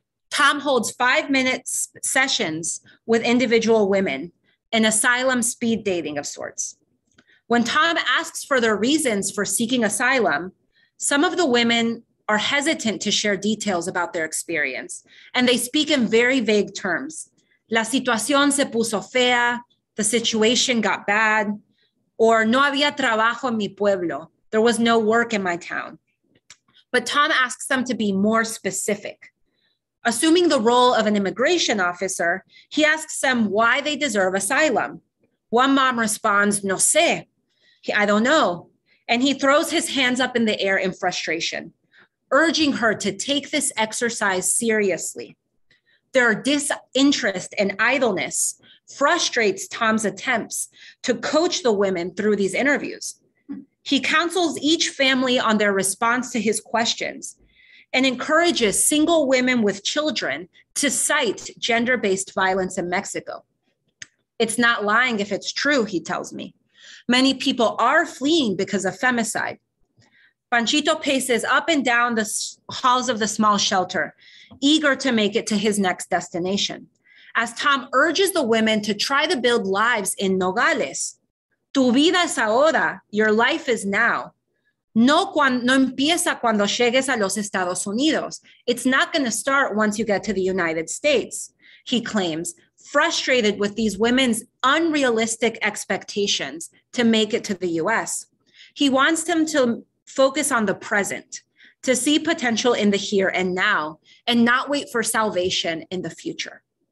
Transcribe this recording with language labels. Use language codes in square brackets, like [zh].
[en] Tom holds 5-minute sessions with individual women, an asylum speed dating of sorts. When Tom asks for their reasons for seeking asylum, some of the women are hesitant to share details about their experience, and they speak in very vague terms. [es] La situación se puso fea, [en] the situation got bad, or [es] no había trabajo en mi pueblo, [en] there was no work in my town. But Tom asks them to be more specific. Assuming the role of an immigration officer, he asks them why they deserve asylum. One mom responds, [es] no sé, [en] I don't know. And he throws his hands up in the air in frustration, urging her to take this exercise seriously. Their disinterest and idleness frustrates Tom's attempts to coach the women through these interviews. He counsels each family on their response to his questions and encourages single women with children to cite gender-based violence in Mexico. It's not lying if it's true, he tells me. Many people are fleeing because of femicide. Panchito paces up and down the halls of the small shelter, eager to make it to his next destination. As Tom urges the women to try to build lives in Nogales, [es] tu vida es ahora, [en] your life is now. [es] No empieza cuando llegues a los Estados Unidos. [en] It's not going to start once you get to the United States, he claims, frustrated with these women's unrealistic expectations to make it to the US. He wants them to focus on the present, to see potential in the here and now, and not wait for salvation in the future.